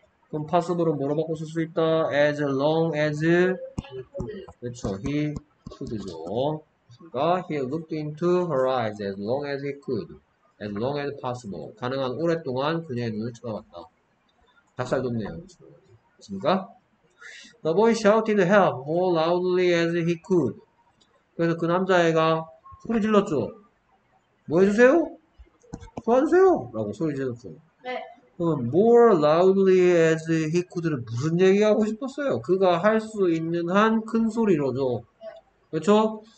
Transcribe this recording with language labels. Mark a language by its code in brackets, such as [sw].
[ko] 그럼 possible로 뭐로 바꿔 쓸수 있다? [en] As long as [ko] 그쵸, [en] he could [ko] 죠. 그러니까 [en] he looked into her eyes as long as he could. As long as possible. [ko] 가능한 오랫동안 그녀의 눈을 쳐다봤다. 닭살 돋네요. 맞습니까? [en] The boy shouted help more loudly as he could. [ko] 그래서 그 남자애가 소리 질렀죠. 뭐 해주세요? 도와주세요! 라고 소리 질렀죠. 네. 그럼 [en] more loudly as he could [ko] 는 무슨 얘기하고 싶었어요? 그가 할수 있는 한큰 소리로죠. 그렇죠?